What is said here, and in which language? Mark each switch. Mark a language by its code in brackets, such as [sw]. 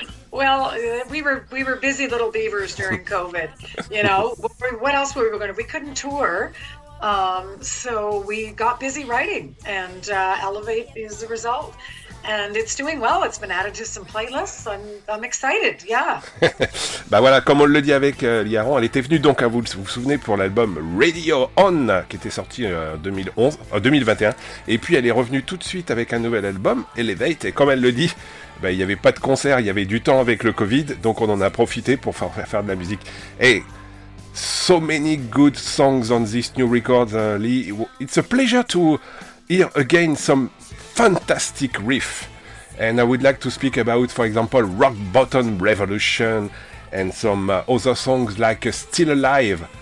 [en] Well, we were busy little beavers during COVID, you know. What else were we going to, we couldn't tour, so we got busy writing, and Elevate is the result. And it's doing well. It's been added to some playlists. I'm excited. Yeah. [fr] Bah voilà, comme on le dit avec Liaron, elle était venue donc à vous. Vous vous souvenez pour l'album Radio On qui était sorti en 2021. Et puis elle est revenue tout de suite avec un nouvel album Elevate. Et comme elle le dit, bah, il y avait pas de concert, il y avait du temps avec le Covid, donc on en a profité pour faire de la musique. [en] Hey, so many good songs on this new record, Lee. It's a pleasure to hear again some fantastic riff, and I would like to speak about, for example, Rock Bottom Revolution and some other songs like Still Alive.